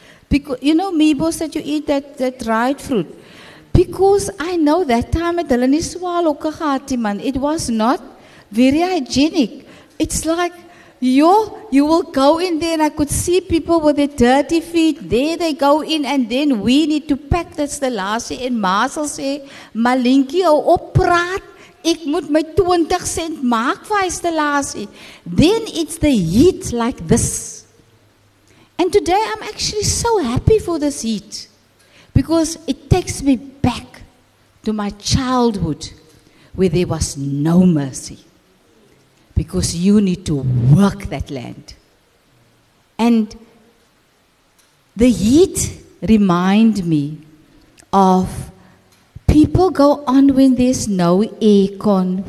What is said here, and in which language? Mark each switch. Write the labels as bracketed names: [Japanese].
[English] Because, you know meebos that you eat, that dried fruit. Because I know that time at [Afrikaans] hulle nie swaalokke gehad, [English] man. It was not very hygienic. It's like, you will go in there and I could see people with their dirty feet. There they go in and then we need to pack that stelasie. [Afrikaans] And Marcel sê, Malinki, hou op praat. Ek moet my 20 cent maak vir stelasie. [English] Then it's the heat like this. And today I'm actually so happy for this heat. Because it takes me back to my childhood where there was no mercy. Because you need to work that land. And the heat remind me of people go on when there's no aircon.